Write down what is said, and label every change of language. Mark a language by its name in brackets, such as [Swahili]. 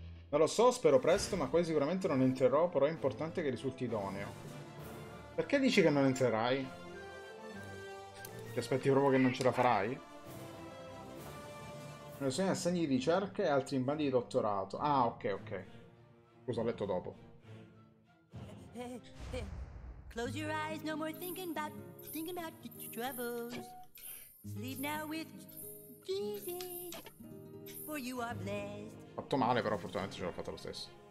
[Italian] Lo so, spero presto, ma poi sicuramente non entrerò, però è importante che risulti idoneo. Perché dici che non entrerai? Ti aspetti proprio che non ce la farai? Non sono assegni di ricerca e altri in bandi di dottorato. Ah, ok, ok. Scusa, ho letto dopo. [English] Close your eyes, no more thinking about your troubles. Sleep now with Jesus, for you are blessed. [Italian] Fatto male, però fortunatamente ce l'ho fatta lo stesso.